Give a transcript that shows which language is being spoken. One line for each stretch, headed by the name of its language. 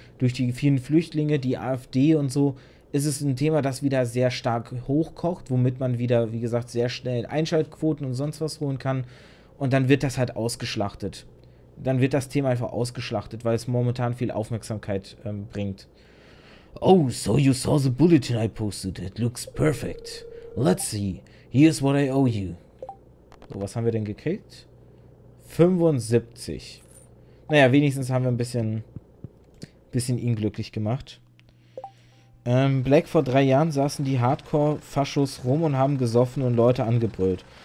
German: Durch die vielen Flüchtlinge, die AfD und so, ist es ein Thema, das wieder sehr stark hochkocht, womit man wieder, wie gesagt, sehr schnell Einschaltquoten und sonst was holen kann. Und dann wird das halt ausgeschlachtet. Dann wird das Thema einfach ausgeschlachtet, weil es momentan viel Aufmerksamkeit bringt.
English: Oh, so you saw the bulletin I posted. It looks perfect. Let's see. Here's what I owe you.
German: So, was haben wir denn gekriegt? 75. Naja, wenigstens haben wir ein bisschen ihn glücklich gemacht. Black, vor 3 Jahren saßen die Hardcore-Faschos rum und haben gesoffen und Leute angebrüllt.